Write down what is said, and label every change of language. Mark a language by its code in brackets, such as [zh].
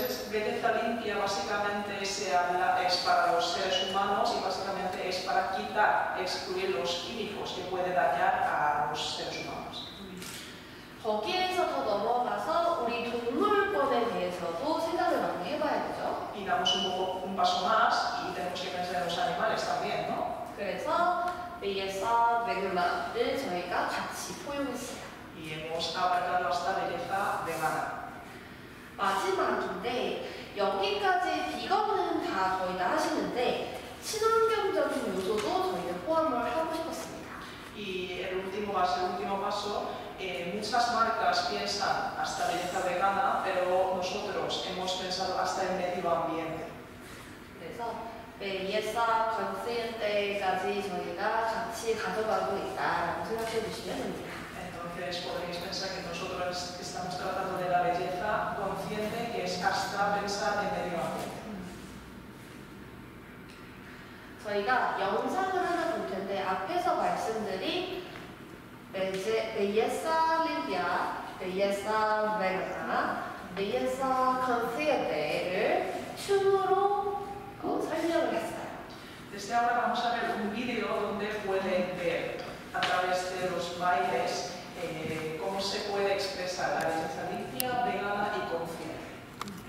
[es] Belleza limpia básicamente se habla es para los seres humanos y básicamente es para quitar, excluir los químicos que puede dañar a los seres humanos. [ko] 거기에서도 넘어가서 우리 동물권에 대해서도 생각을 많이 해봐야죠. [es] Y damos un paso más y tenemos que pensar en los animales también, ¿no? [ko] 그래서 [es] belleza vegana [ko] 를 저희가 같이 포용했어요. [es] Y hemos abarcado hasta belleza vegana. [ko] 마지막인데 여기까지 비건은 다 거의 다 하시는데 친환경적인 요소도 저희는 포함을 하고 싶었습니다. [es] Y el último paso, muchas marcas piensan hasta belleza vegana, pero nosotros hemos pensado hasta el medio ambiente. [ko] 그래서 [es] belleza consciente [ko] 까지 저희가 같이 가져가고 있다라고 생각해 주시면 됩니다. [es] Entonces podríais pensar que nosotros estamos tratando de la belleza consciente, que es hasta pensar en medio ambiente. [ko] 저희가 영상을 하나 볼 텐데 앞에서 말씀드린 [es] belleza limpia, belleza vegana, belleza consciente [ko] 를 춤으로 설명을 했어요. [es] Desde ahora vamos a ver un vídeo donde pueden ver a través de los bailes cómo se puede expresar la belleza limpia, vegana y